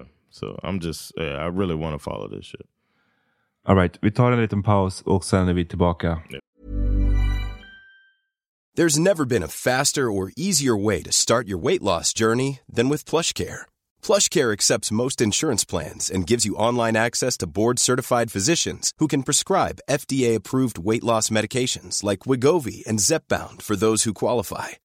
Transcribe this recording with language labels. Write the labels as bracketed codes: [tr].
[en] So I'm just, I really want to follow this shit. [sv] All right, vi tar en liten paus och sen är vi tillbaka. [en] There's never been a faster or easier way to start your weight loss journey than with PlushCare. PlushCare accepts most insurance plans and gives you online access to board-certified physicians who can prescribe FDA-approved weight loss medications like Wegovy and Zepbound for those who qualify.